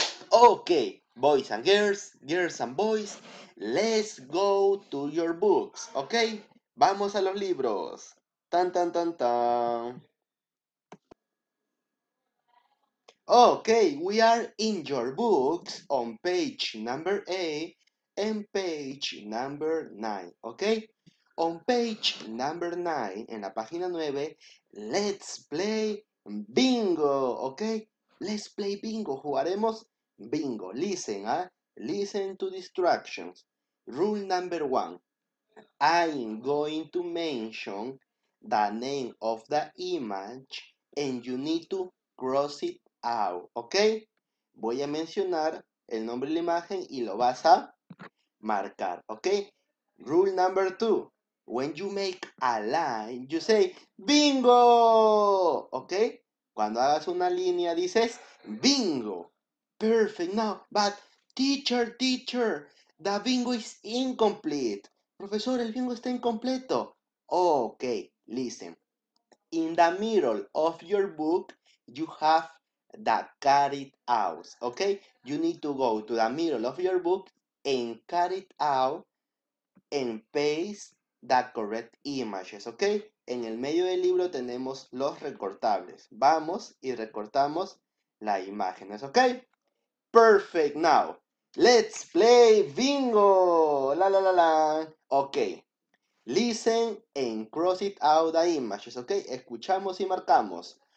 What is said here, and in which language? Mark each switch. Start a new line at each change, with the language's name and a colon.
English: Ok, boys and girls, girls and boys, let's go to your books, ok?
Spanish: Vamos a los libros. Tan, tan, tan, tan.
English: Ok, we are in your books on page number 8 and page number 9, ok? On page number 9,
Spanish: en la página 9,
English: let's play bingo, ¿ok? Let's play bingo,
Spanish: jugaremos bingo.
English: Listen, ¿ah? Listen to instructions. Rule number 1. I'm going to mention the name of the image and you need to cross it out, ¿ok?
Spanish: Voy a mencionar el nombre de la imagen y lo vas a marcar, ¿ok?
English: Rule number 2. When you make a line, you say, bingo, ¿ok?
Spanish: Cuando hagas una línea, dices, bingo.
English: Perfect, now, but, teacher, teacher, the bingo is incomplete.
Spanish: Profesor, el bingo está incompleto.
English: Ok, listen. In the middle of your book, you have the cut it out, ¿ok? You need to go to the middle of your book and cut it out and paste The correct images, ¿ok?
Spanish: En el medio del libro tenemos los recortables. Vamos y recortamos las imágenes, ¿ok?
English: Perfect, now. Let's play bingo. La, la, la, la. Ok. Listen and cross it out the images, ¿ok?
Spanish: Escuchamos y marcamos.